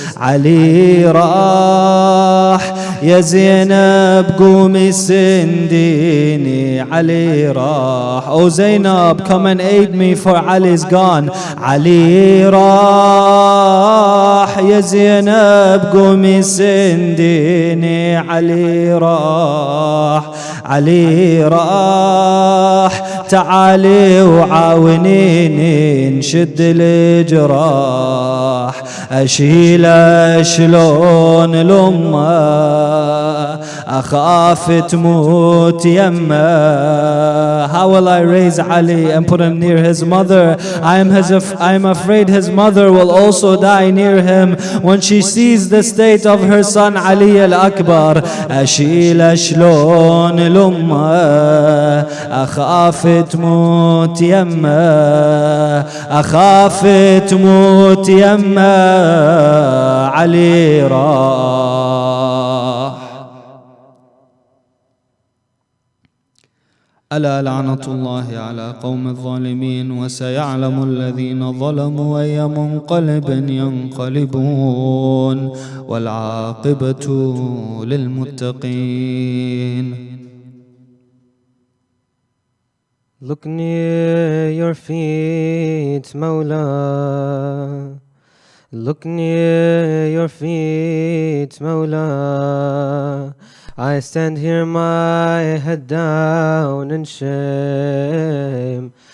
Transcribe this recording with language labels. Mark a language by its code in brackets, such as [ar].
[ar] علي راح يا زينب قومي سنديني علي راح. [en] Oh Zainab, come and aid me, for Ali's gone. [ar] علي راح يا زينب قومي سنديني علي راح. علي راح تعالي وعاونيني نشد الجراح، أشيله شلون الأمة أخاف تموت يمه. [en] How will I raise Ali and put him near his mother? I am afraid his mother will also die near him when she sees the state of her son Ali al-Akbar. [ar] أشيل شلون الأمه أخاف تموت يمه أخاف تموت يمه علي راح. ألا لعنة الله على قوم الظالمين وسيعلم الذين ظلموا أي منقلب ينقلبون والعاقبة للمتقين. [en] Look near your feet, Mawla. Look near your feet, Mawla. I stand here my head down in shame.